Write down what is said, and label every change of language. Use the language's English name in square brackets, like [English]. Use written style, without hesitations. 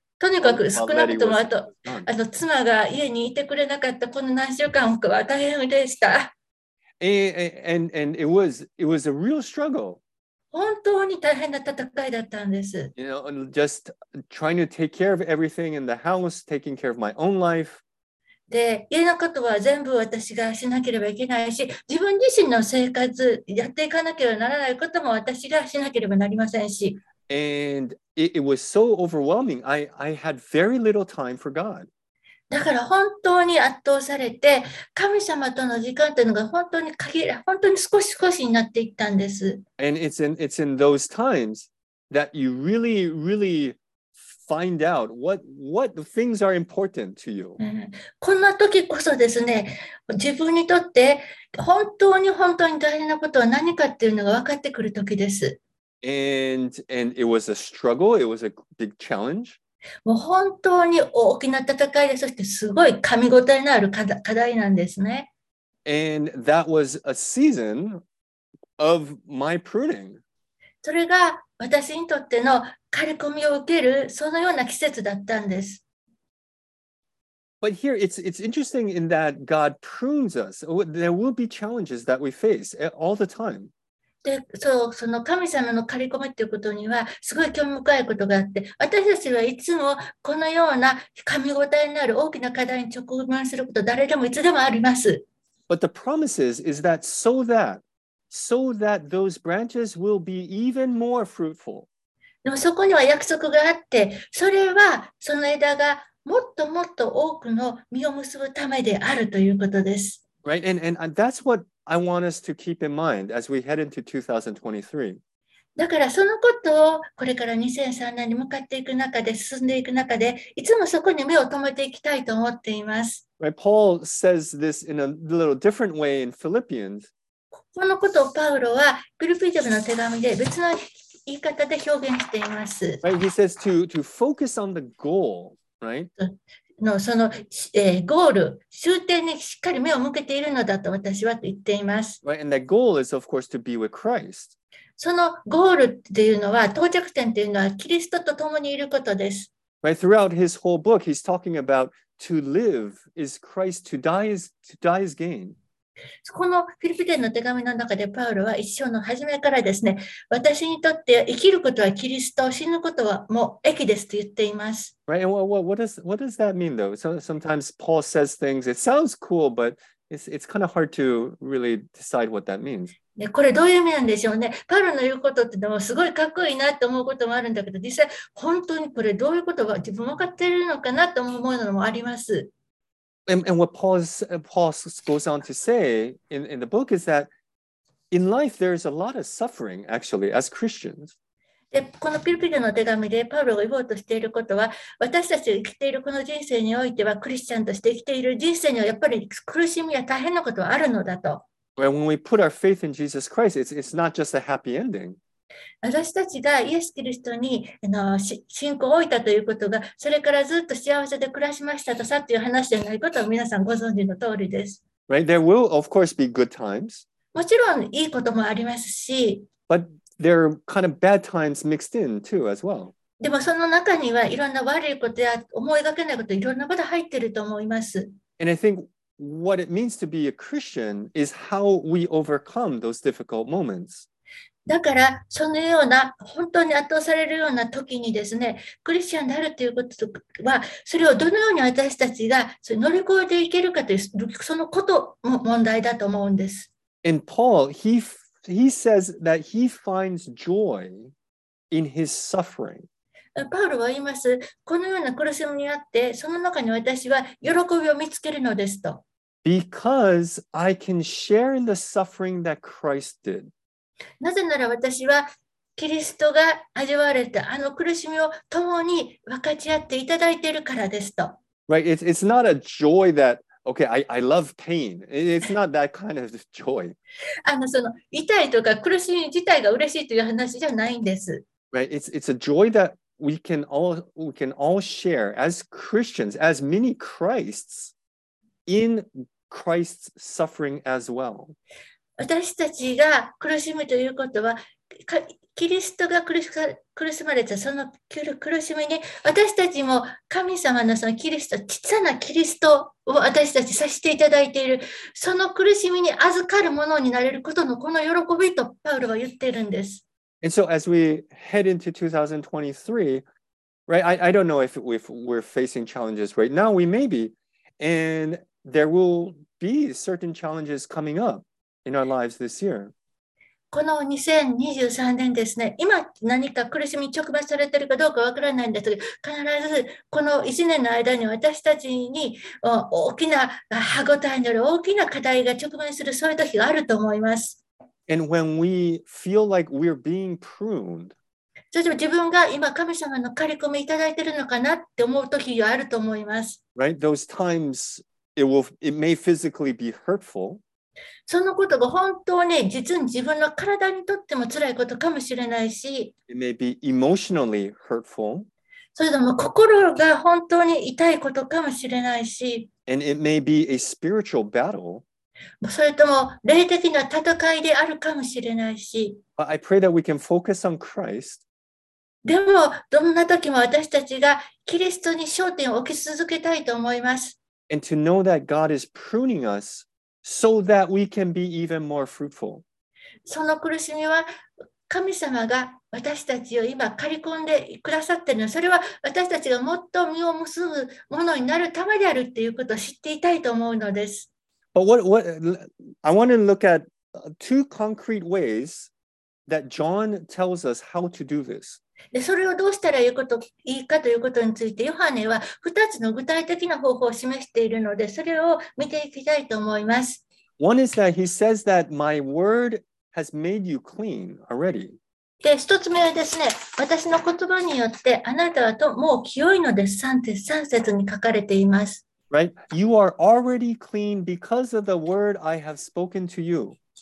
[Japanese] とにかく少なくともあと、妻が家にいてくれなかったこの何週間は大変でした。 [English] And it was a real struggle. [Japanese] 本当に大変な戦いだったんです。 [English] You know, just trying to take care of everything in the house, taking care of my own life. [Japanese] で、家のことは全部私がしなければいけないし、自分自身の生活やっていかなければならないことも私がしなければなりませんし。 [English] And it was so overwhelming. I had very little time for God. [Japanese] だから本当に圧倒されて、神様との時間というのが本当に限ら、本当に少し少しになっていったんです。 [English] And it's in those times that you really, really find out what things are important to you. [Japanese] こんな時こそですね、自分にとって本当に本当に大事なことは何かっていうのが分かってくる時です。 [English] And it was a struggle. It was a big challenge. [Japanese] もう本当に大きな戦いで、そしてすごい噛み応えのある課題なんですね。 [English] And that was a season of my pruning. [Japanese] それが私にとっての刈り込みを受けるそのような季節だったんです。 [English] But here it's interesting in that God prunes us. There will be challenges that we face all the time. [Japanese] で、そう、その神様の刈り込みということにはすごい興味深いことがあって、私たちはいつもこのような噛み応えのある大きな課題に直面すること、誰でもいつでもあります。 [English] But the promise is that so that those branches will be even more fruitful. [Japanese] でもそこには約束があって、それはその枝がもっともっと多くの実を結ぶためであるということです。 [English] Right, and that's whatI want us to keep in mind as we head into 2023. [Japanese] だからそのことをこれから2003年に向かっていく中で、進んでいく中で、いつもそこに目を留めていきたいと思っています。 [English] Right, Paul says this in a little different way in Philippians. [Japanese] このことをパウロはフィリピ人の手紙で別の言い方で表現しています。 [English] Right, he says to focus on the goal, right? [Japanese] のその、ゴール、終点にしっかり目を向けているのだと私はと言っています。 [English] Right, and that goal is of course to be with Christ. [Japanese] そのゴールっていうのは、到着点っていうのは、キリストと共にいることです。 [English] Right, throughout his whole book, he's talking about to live is Christ, to die is gain. [Japanese] このフィリピ人の手紙の中でパウロは一章の初めからですね、私にとって生きることはキリスト、死ぬことはもう益ですと言っています。 [English] Right, and what does that mean though? So sometimes Paul says things, it sounds cool, but it's kind of hard to really decide what that means. [Japanese] これどういう意味なんでしょうね。パウロの言うことってのもすごいかっこいいなと思うこともあるんだけど、実際本当にこれどういうことが自分分かっているのかなと思うのもあります。 [English] And what Paul goes on to say in the book is that in life there is a lot of suffering actually as Christians. [Japanese] で、このピルピルの手紙でパウロが言おうとしていることは、私たちが生きているこの人生においては、クリスチャンとして生きている人生にはやっぱり苦しみや大変なことはあるのだと。 [English] When we put our faith in Jesus Christ, it's not just a happy ending. [Japanese] 私たちがイエス・キリストに信仰を置いたということが、それからずっと幸せで暮らしましたとさという話ではないことを皆さんご存知の通りです。 [English] Right, there will of course be good times. [Japanese] もちろんいいこともありますし、 [English] But there are kind of bad times mixed in too as well. [Japanese] でもその中にはいろんな悪いことや思いがけないこと、いろんなこと入っていると思います。 [English] And I think what it means to be a Christian is how we overcome those difficult moments. [Japanese] だからそのような本当に圧倒されるような時にですね、クリスチャンであるということは、それをどのように私たちがそれ乗り越えていけるかという、そのことも問題だと思うんです。 [English] And Paul, he says that he finds joy in his suffering. [Japanese] パウロは言います。このような苦しみにあって、その中に私は喜びを見つけるのですと。 [English] Because I can share in the suffering that Christ did. [Japanese] なぜなら私はキリストが味わわれたあの苦しみを共に分かち合っていただいているからですと。 [English] Right, it's not a joy that, okay, I love pain. It's not that kind of joy. [Japanese] その痛いとか苦しみ自体が嬉しいという話じゃないんです。 [English] Right, it's a joy that we can all share as Christians, as many Christs, in Christ's suffering as well. [Japanese] 私たちが苦しむということは、キリストが苦しまれたその苦しみに、私たちも神様のそのキリスト、小さなキリストを私たちさせていただいている、その苦しみに預かるものになれることのこの喜びとパウロは言ってるんです。 [English] And so as we head into 2023, right, I don't know if we're facing challenges right now, we may be, and there will be certain challenges coming up. In our lives this year. [Japanese] この2023年ですね、今何か苦しみに直面されているかどうかわからないんですが、必ずこの1年の間に私たちに大きな歯ごたえによる大きな課題が直面する、そういう時があると思います。 [English] And when we feel like we're being pruned, [Japanese] それでも自分が今神様の借り込みいただいているのかなって思う時があると思います。 [English] Right? Those times, it may physically be hurtful. [Japanese] そのことが本当に実に自分の体にとっても辛いことかもしれないし。 [English] It may be emotionally hurtful. [Japanese] それでも心が本当に痛いことかもしれないし。 [English] And it may be a spiritual battle. [Japanese] それとも霊的な戦いであるかもしれないし。 [English] I pray that we can focus on Christ. [Japanese] でも、どんな時も私たちがキリストに焦点を置き続けたいと思います。 [English] And to know that God is pruning us so that we can be even more fruitful. [Japanese] その苦しみは神様が私たちを今刈り込んでくださっているの。それは私たちがもっと実を結ぶものになるためであるということを知っていたいと思うのです。 [English] But I want to look at two concrete ways that John tells us how to do this. [Japanese] で、それをどうしたらいいかということについて、ヨハネは2つの具体的な方法を示しているので、それを見ていきたいと思います。 [English] One is that he says that my word has made you clean already. [Japanese] で、1つ目はですね、私の言葉によってあなたはもう清いのです。 3節に書かれています。 [English] Right, you are already clean because of the word I have spoken to you.